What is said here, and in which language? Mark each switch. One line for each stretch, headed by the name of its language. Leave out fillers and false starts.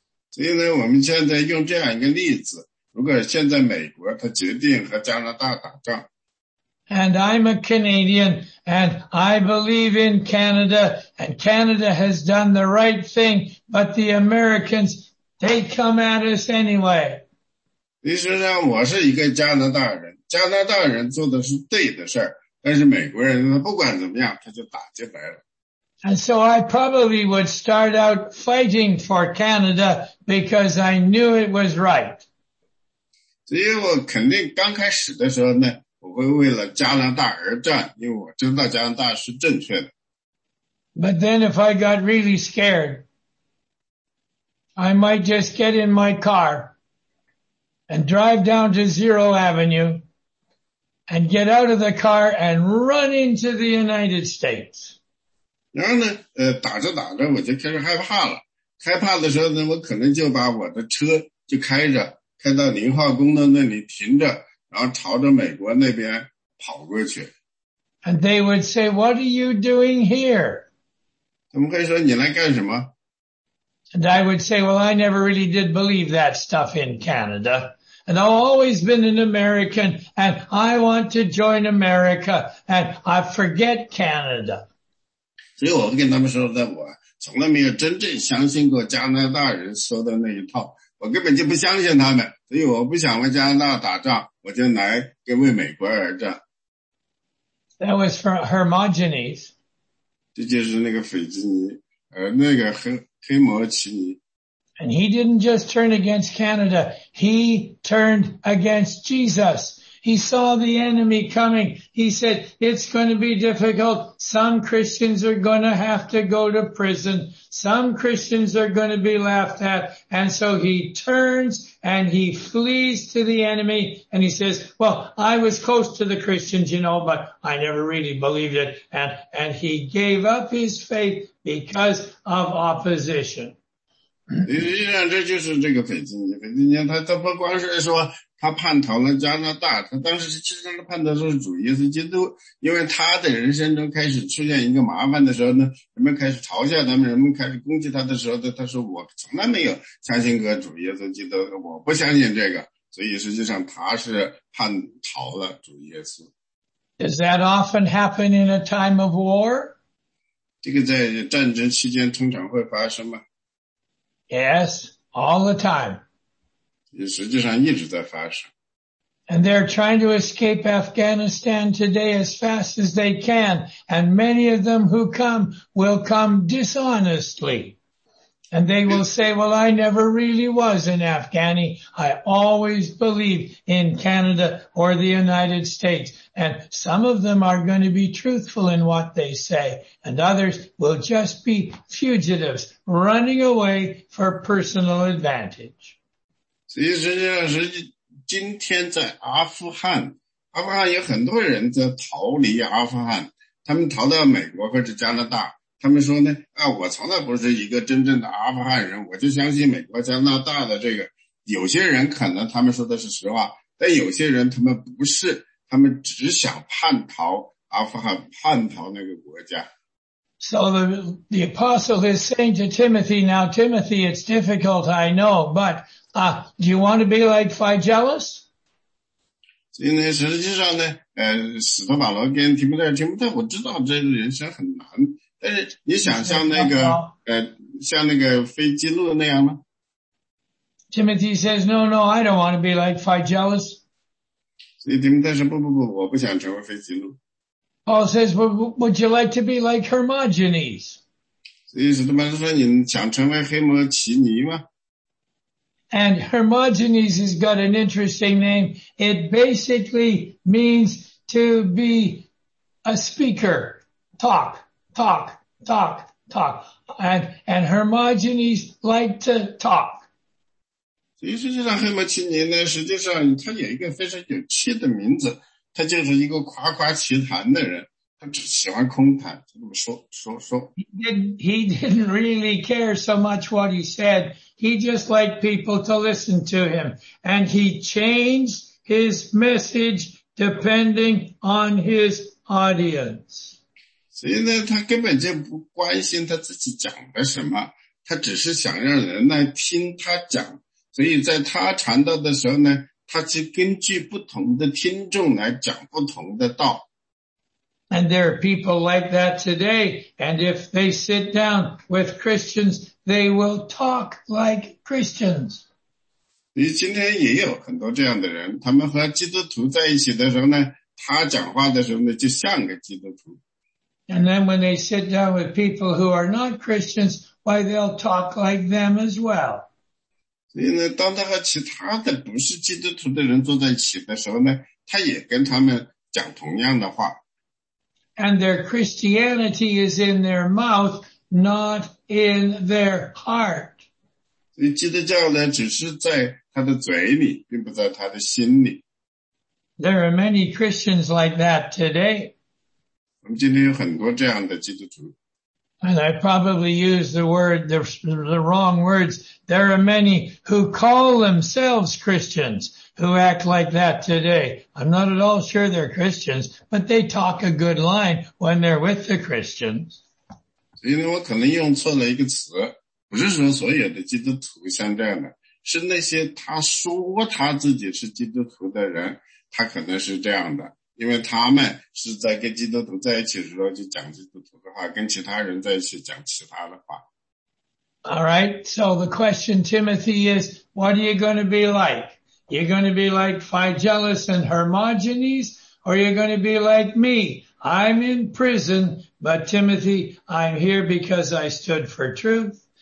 Chinese: 所以呢，我们现在用这样一个例子，如果现在美国他决定和加拿大打仗。
English: And I'm a Canadian, and I believe in Canada, and Canada has done the right thing, but the Americans, they come at us anyway.
Chinese: 其实呢，我是一个加拿大人。加拿大人做的是对的事儿，但是美国人他不管怎么样他就打进来了。
English: And so I probably would start out fighting for Canada because I knew it was right.
Chinese: 所以我肯定刚开始的时候呢，我会为了加拿大而战，因为我知道加拿大是正确的。
English: But then if I got really scared, I might just get in my car and drive down to Zero Avenue. And get out of the car and run into the United States.
Chinese: 然后呢，打着打着我就开始害怕了。害怕的时候呢，我可能就把我的车就开着，开到宁化宫的那里停着，然后朝着美国那边跑过去。
English: And they would say, "What are you doing here?"
Chinese: 他们会说你来干什么？
English: And I would say, "Well, I never really did believe that stuff in Canada." And I've always been an American, and I want to join America, and I forget Canada.
Chinese: 所以我跟他们说的，我从来没有真正相信过加拿大人说的那一套，我根本就不相信他们，所以我不想为加拿大打仗，我就来为美国而战。
English: That was for Hermogenes.
Chinese: 这就是那个腓基尼那个黑摩奇尼。
English: And he didn't just turn against Canada. He turned against Jesus. He saw the enemy coming. He said, it's going to be difficult. Some Christians are going to have to go to prison. Some Christians are going to be laughed at. And so he turns and he flees to the enemy. And he says, well, I was close to the Christians, you know, but I never really believed it. And he gave up his faith because of opposition.
Chinese: 实际上这就是这个斐济尼，斐济尼他不光是说他叛逃了加拿大，他当时其实他叛逃是主耶稣基督，因为他的人生中开始出现一个麻烦的时候呢，人们开始嘲笑他们，人们开始攻击他的时候呢，他说我从来没有相信过主耶稣基督，我不相信这个，所以实际上他是叛逃了主耶稣。
English: Does that often happen in a time of war?
Chinese: 这个在战争期间通常会发生吗？
English: Yes, all the time.
Chinese: 实际上一直在发生。
English: And they're trying to escape Afghanistan today as fast as they can. And many of them who come will come dishonestly. And they will say, well, I never really was an Afghani. I always believed in Canada or the United States. And some of them are going to be truthful in what they say. And others will just be fugitives running away for personal advantage.
Chinese: 所以今天在阿富汗有很多人在逃离阿富汗，他们逃到美国或者加拿大。他们说呢，啊，我从来不是一个真正的阿富汗人，我就相信美国加拿大的这个。有些人可能他们说的是实话，但有些人他们不是，他们只想叛逃阿富汗，叛逃那个国家。
English: So the apostle is saying to Timothy, now Timothy, it's difficult, I know, but, do you want to be like Phygellus?
Chinese: 所以呢，实际上呢，使徒保罗跟提摩太，提摩太，我知道这人生很难。但是你想像那个像那个腓基路那样吗？
English: Timothy says, no, no, I don't want to be like Phygellus.
Chinese: 所以提摩太说不不不我不想成为腓基路。
English: Paul says, would you like to be like Hermogenes?
Chinese: 所以使徒保罗说你想成为黑摩奇尼吗？
English: And Hermogenes has got an interesting name. It basically means to be a speaker, talk. And Hermogenes liked to talk.
Chinese: 所以实际上黑摩奇尼呢，实际上他有一个非常有趣的名字，他就是一个夸夸其谈的人，他只喜欢空谈，就这么说。
English: He didn't really care so much what he said. He just liked people to listen to him. And he changed his message depending on his audience.
Chinese: 所以呢，他根本就不关心他自己讲的什么，他只是想让人来听他讲。所以在他传道的时候呢，他去根据不同的听众来讲不同的道。
English: And there are people like that today, and if they sit down with Christians, they will talk like Christians.
Chinese: 所以今天也有很多这样的人，他们和基督徒在一起的时候呢，他讲话的时候呢，就像个基督徒。
English: And then when they sit down with people who are not Christians, why they'll talk like them as well.
Chinese: 所以呢，当他和其他的不是基督徒的人坐在一起的时候呢，他也跟他们讲同样的话。
English: And their Christianity is in their mouth, not in their heart.
Chinese: 所以基督教呢，只是在他的嘴里，并不在他的心里。
English: There are many Christians like that today.
Chinese: 我们今天有很多这样的基督徒。
English: And I probably use the wrong words. There are many who call themselves Christians who act like that today. I'm not at all sure they're Christians, but they talk a good line when they're with the Christians.
Chinese: 所以呢，我可能用错了一个词，不是说所有的基督徒像这样的，是那些他说他自己是基督徒的人，他可能是这样的。因为他们是在跟基督徒在一起的时候就讲基督徒的话，跟其他人在一起讲其他的话。
English: Alright, so the question, Timothy, is, what are you going to be like? You're going to be like Phygellus and Hermogenes, or you're going to be like me? I'm in prison But Timothy, I'm here because I stood for truth.